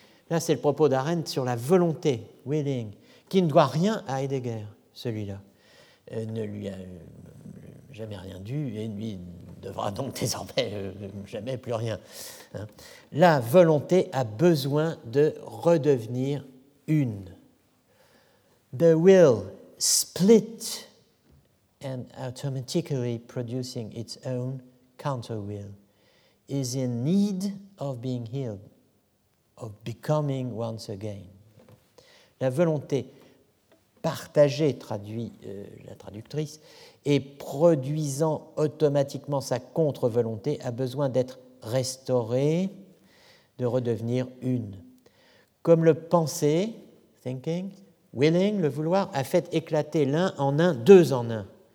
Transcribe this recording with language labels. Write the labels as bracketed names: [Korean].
[French] Là, c'est le propos d'Arendt sur la volonté, willing, qui ne doit rien à Heidegger, celui-là. Ne lui a jamais rien dû et lui devra donc désormais jamais plus rien. Hein. La volonté a besoin de redevenir une. [English] The will split and automatically producing its own counter-will is in need of being healed. Of becoming once again. [French] La volonté partagée, traduit la traductrice, et produisant automatiquement sa contre-volonté, a besoin d'être restaurée, de redevenir une. Comme le penser, thinking, willing, le vouloir, a fait éclater l'un en un, deux en un.